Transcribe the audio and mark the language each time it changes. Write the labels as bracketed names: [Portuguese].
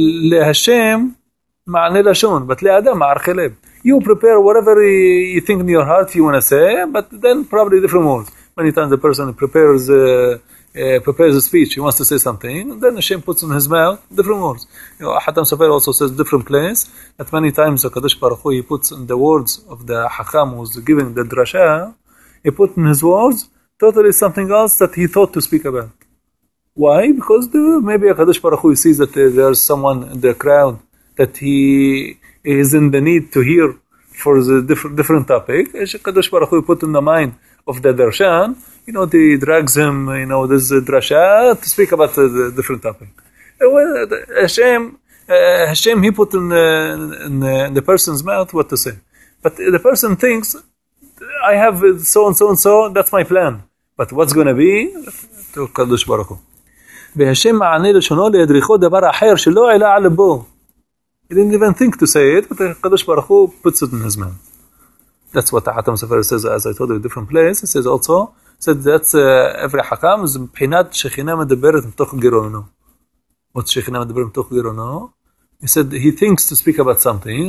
[Hebrew] להשם מענה לשון, but לאדם מערכי לב. [English] You prepare whatever you think in your heart you want to say, but then probably different words. Many times a person prepares a speech, he wants to say something, and then Hashem puts in his mouth different words. You know, Hatam Sofer also says different place, that many times HaKadosh Baruch Hu, he puts in the words of the Hacham who's giving the drasha, he put in his words totally something else that he thought to speak about. Why? Because maybe HaKadosh Baruch Hu, he sees that there's someone in the crowd that he is in the need to hear for the different topic. HaKadosh Baruch Hu put in the mind of the darshan, you know, he drags him, you know, this drasha to speak about the different topic. Well, Hashem, he put in the person's mouth what to say. But the person thinks, I have so and so and so, that's my plan. But what's going to be? To HaKadosh Baruch Hu. [Hebrew] והשם מענה לשונו להדריכו דבר אחר שלא עלה על לבו. [English] He didn't even think to say it, but HaKadosh Baruch Hu puts it in his mouth. That's what Hatam Sofer says, as I told you, a different place. He says also, said that every Hakam is [Hebrew] Mbhinat Shekhinah Medaberet Mtokh Gironu. [English] What [Hebrew] Shekhinah Medaberet Mtokh Gironu? [English] He said he thinks to speak about something.